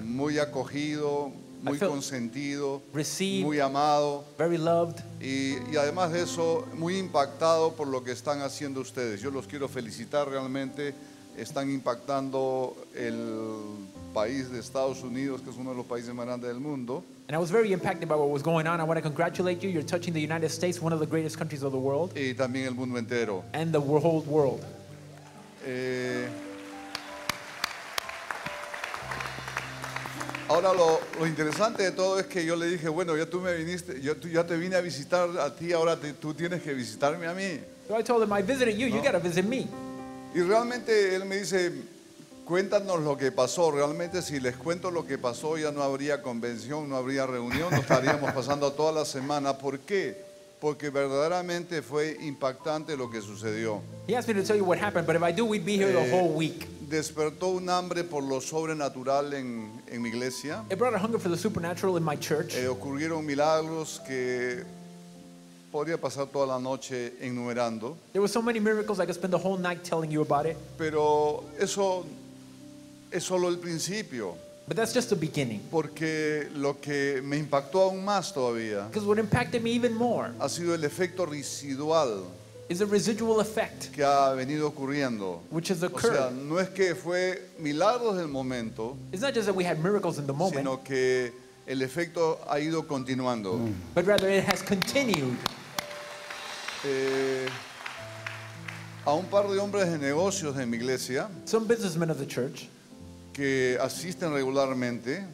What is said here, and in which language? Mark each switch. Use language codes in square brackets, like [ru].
[es] Muy acogido, muy consentido, [en] received, [es] muy amado, [en] very loved. [es] Y además de eso, muy impactado por lo que están haciendo ustedes. Yo los quiero felicitar realmente. Están impactando el país de Estados Unidos, que es uno de los países más grandes del mundo. [en] And I was very impacted by what was going on. I want to congratulate you. You're touching the United States, one of the greatest countries of the world. [es] Y también el mundo entero. [en] And the whole world. [es] Ahora lo interesante de todo es que yo le dije, bueno, ya tú me viniste, ya te vine a visitar a ti, ahora tú tienes que visitarme a mí. [en] So I told him, I visited you, no? You got to visit me. [es] Y realmente él me dice, cuéntanos lo que pasó. Realmente si les cuento lo que pasó, ya no habría convención, no habría reunión, nos estaríamos pasando toda la semana. ¿Por qué? Porque verdaderamente fue impactante lo que sucedió. [en] He asked me to tell you what happened, but if I do, we'd be here the whole week. [es] Despertó un hambre por lo sobrenatural en mi iglesia. [en] It brought a hunger for the supernatural in my church. [es] Ocurrieron milagros que podría pasar toda la noche enumerando. [en] There were so many miracles I could spend the whole night telling you about it. [es] Pero eso es solo el principio. [en] But that's just the beginning. [es] Porque lo que me impactó aún más todavía. [en] Because what impacted me even more. [es] Ha sido el efecto residual. [en] Is a residual effect. [es] Que ha venido ocurriendo. [en] Which has occurred. [es] O sea, no es que fue milagros del momento. [en] It's not just that we had miracles in the moment. [es] Sino que el efecto ha ido continuando. [en] But rather it has continued. [es] A un par de hombres de negocios de mi iglesia. [en] Some businessmen of the church. [es] Que asisten regularmente.